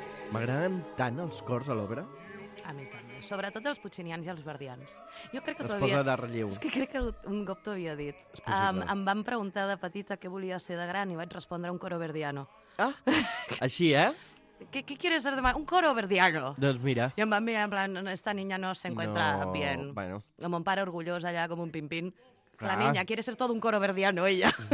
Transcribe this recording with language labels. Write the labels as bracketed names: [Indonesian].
[Catalan] M'agraden tant els cors a l'obra? A mi també. Sobretot els puccinians i els verdians. Jo crec que es posa de relleu. És que crec que un cop t'ho havia dit. Em van preguntar de petita què volia ser de gran i vaig respondre [Spanish] un coro verdiano. [Catalan] Ah, així, eh? [Spanish] ¿Qué quieres ser demà? Un coro verdiano. [Catalan] Doncs mira. I em van mirar en plan, [Spanish] esta niña no se encuentra bien. [Catalan] Bueno. Amb un pare orgullós allà, com un pim-pim. [Spanish] La niña quiere ser todo un coro verdiano, ella.